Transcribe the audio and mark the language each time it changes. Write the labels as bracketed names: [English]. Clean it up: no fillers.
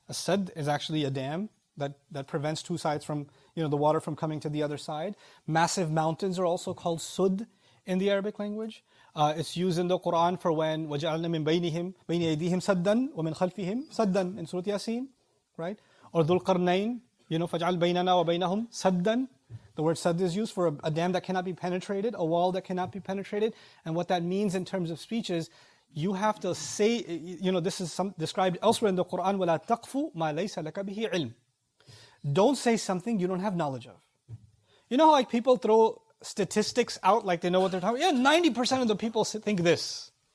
[English] As-sad is actually a dam that prevents two sides from, you know, the water from coming to the other side. Massive mountains are also called sud in the Arabic language. It's used in the Quran for when [Arabic] وَجَعَلْنَا مِنْ بَيْنِهِمْ بَيْنِ أَيْدِيهِمْ سَدًّا وَمِنْ خَلْفِهِمْ سَدًّا [English] in Surah Yasin, right? [Arabic] Or ذُو الْقَرْنَيْنِ, you know, فَجْعَلْ بَيْنَنَا وَبَيْنَهُمْ سَدًّا. [English] The word sad is used for a dam that cannot be penetrated, a wall that cannot be penetrated. And what that means in terms of speech is, you have to say, you know, this is described elsewhere in the Quran, [Arabic] وَلَا تَقْفُ مَا لَيْسَ لَكَ بِهِ عِلْمٍ. [English] Don't say something you don't have knowledge of. You know how like people throw statistics out like they know what they're talking about? Yeah, 90% of the people think this.